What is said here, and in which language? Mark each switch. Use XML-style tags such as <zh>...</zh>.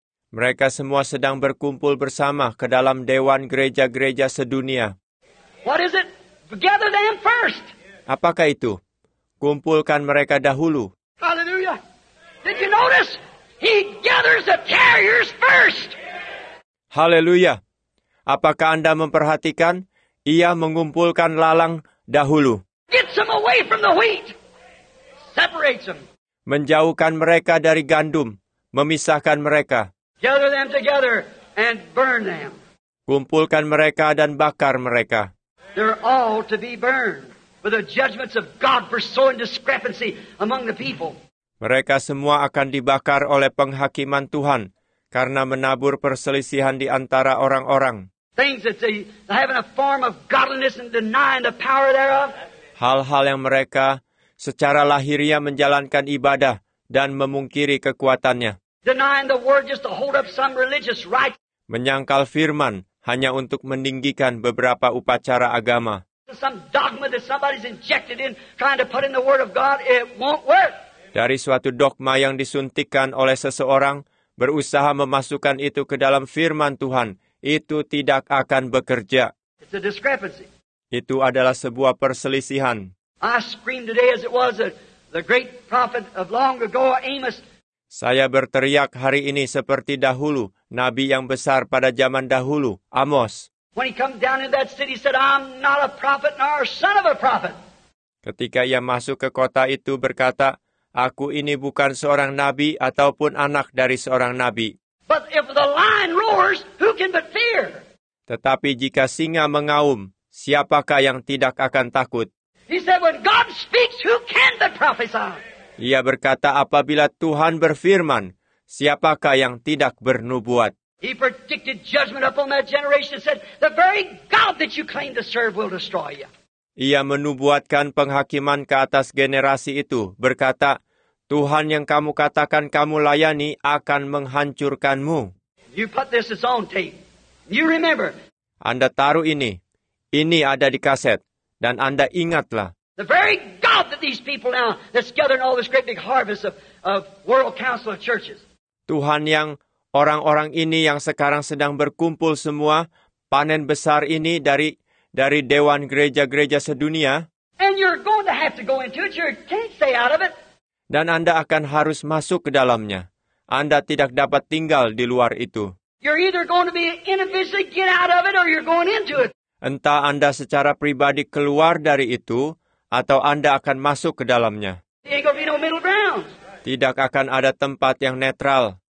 <id>Mereka semua sedang berkumpul bersama ke dalam Dewan Gereja-Gereja Sedunia.</id> <en>What is it? Gather them first.</en> <id>Apakah itu? Kumpulkan mereka dahulu.</id> <en>Hallelujah. Did you notice? He gathers the carriers first. Hallelujah.</en> <id>Apakah Anda memperhatikan? Ia mengumpulkan lalang dahulu.</id> <en>Gets them away from the wheat. Separates them.</en> <id>Menjauhkan mereka dari gandum. Memisahkan mereka.</id> <en>Gather them together and burn them.</en> <id>Kumpulkan mereka dan bakar mereka.</id> <en>They're all to be burned for the judgments of God for sowing discrepancy among the people.</en> <id>Mereka semua akan dibakar oleh penghakiman Tuhan karena menabur perselisihan di antara orang-orang.</id> <en>Things that they have in a form of godliness and denying the power thereof.</en> <id>Hal-hal yang mereka secara lahirnya menjalankan ibadah dan memungkiri kekuatannya.</id> <en>Denying the word just to hold up some religious right.</en> <id>Menyangkal firman hanya untuk meninggikan beberapa upacara agama.</id> <en>Some dogma that somebody's injected in trying to put in the word of God, it won't work.</en> <id>Dari suatu dogma yang disuntikkan oleh seseorang, berusaha memasukkan itu ke dalam firman Tuhan, itu tidak akan bekerja.</id> <en>It's a discrepancy.</en> <id>Itu adalah sebuah perselisihan.</id> <en>I screamed today as it was the great prophet of long ago, Amos.</en> <id>Saya berteriak hari ini seperti dahulu, nabi yang besar pada zaman dahulu, Amos.</id> <en>When he comes down in that city, he said, I'm not a prophet nor a son of a prophet.</en> <id>Ketika ia masuk ke kota itu berkata, aku ini bukan seorang nabi ataupun anak dari seorang nabi.</id> <en>But if the lion roars, who can but fear?</en> <id>Tetapi jika singa mengaum, siapakah yang tidak akan takut?</id> <en>He said, when God speaks, who can but prophesy?</en> <id>Ia berkata, apabila Tuhan berfirman, siapakah yang tidak bernubuat?</id> <en>He predicted judgment upon that generation and said, the very God that you claim to serve will destroy you.</en> <id>Ia menubuatkan penghakiman ke atas generasi itu, berkata, Tuhan yang kamu katakan kamu layani akan menghancurkanmu.</id> <en>You put this on tape. You remember.</en> <id>Anda taruh ini. Ini ada di kaset. Dan Anda ingatlah.</id> <en>The very God that these people now that's gathering all this great big harvest of World Council of Churches.</en> <id>Tuhan yang orang-orang ini yang sekarang sedang berkumpul semua, panen besar ini dari Dewan Gereja-Gereja Sedunia.</id> <en>And you're going to have to go into it. You can't stay out of it.</en> <id>Dan Anda akan harus masuk ke dalamnya. Anda tidak dapat tinggal di luar itu.</id> <en>You're either going to be individually get out of it or you're going into it.</en> <id>Entah Anda secara pribadi keluar dari itu atau Anda akan masuk ke dalamnya.</id> <en>There ain't gonna be no middle ground.</en> <id>Tidak akan ada tempat yang netral.</id>